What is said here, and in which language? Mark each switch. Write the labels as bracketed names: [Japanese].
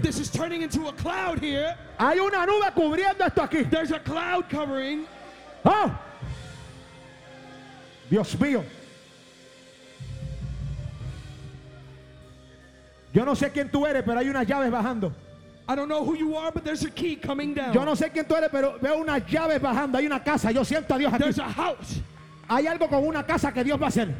[English] This is turning into a cloud here. [Spanish] Hay una nube cubriendo esto aquí. [English] There's a cloud covering. Oh. [Spanish] Dios mío. Yo no sé quién tú eres, pero hay unas llaves bajando. [English] I don't know who you are, but there's a key coming down. [Spanish] Yo no sé quién tú eres, pero veo una llave bajando. Hay una casa. Yo siento a Dios aquí. [English] There's a house. [Spanish] Hay algo con una casa que Dios va a hacer.